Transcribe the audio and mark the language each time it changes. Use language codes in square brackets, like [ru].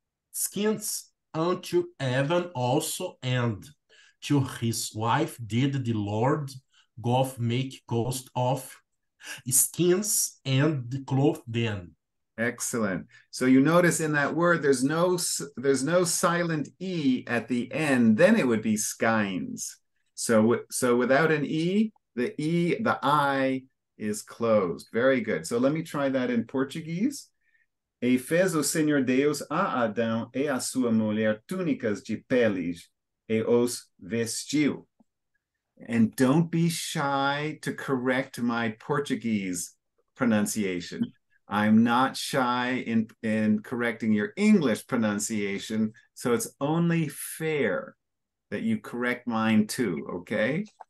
[en] Skins unto Adam also and to his wife did the Lord God make coast of skins and clothe them. Excellent. So you notice in that word, there's no silent E at the end, then it would be skines. So without an E, the I is closed. Very good. So let me try that in Portuguese. [pt] E fez o Senhor Deus a Adão e a sua mulher túnicas de peles e os vestiu. [en] And don't be shy to correct my Portuguese pronunciation. I'm not shy in correcting your English pronunciation, so it's only fair that you correct mine too, okay?